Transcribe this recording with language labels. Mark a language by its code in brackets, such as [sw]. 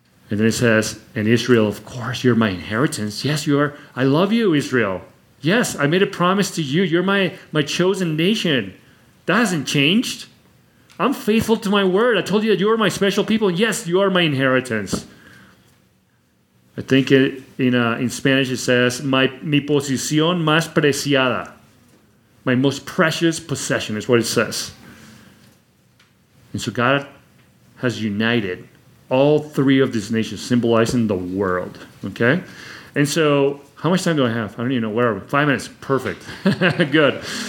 [en] And then it says, and Israel, of course, you're my inheritance. Yes, you are. I love you, Israel. Yes, I made a promise to you. You're my chosen nation. That hasn't changed. I'm faithful to my word. I told you that you are my special people. Yes, you are my inheritance. I think it, in Spanish it says, [es] mi posición más preciada. [en] My most precious possession is what it says. And so God has united all three of these nations, symbolizing the world. Okay? And so, how much time do I have? I don't even know. Where are we? 5 minutes. Perfect. Good.